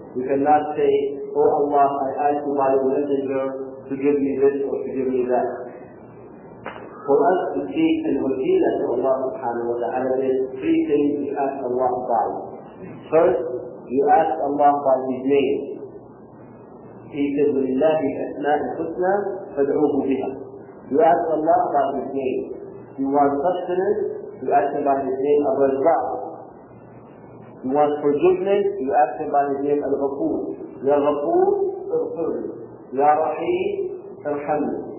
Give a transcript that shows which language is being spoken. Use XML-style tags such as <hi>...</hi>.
<en>You cannot say, oh Allah, I ask you by the messenger to give me this or to give me that. For us to seek an wajila to Allah subhanahu wa ta'ala, there are three things you ask Allah by. First, you ask Allah by his name. He said,</en> <ar>وَلِلَّهِ أَسْمَاءُ الْحُسْنَى فَادْعُوهُ بِهَا.</ar> <en>You ask Allah about his name. You want sustenance, you ask him by his name Al-Razzaq. You want forgiveness, you ask him by his name Al-Ghafoor.</en> <ar>Ya Ghafoor, Ighfir. Ya Rahim, Irhamni.</ar>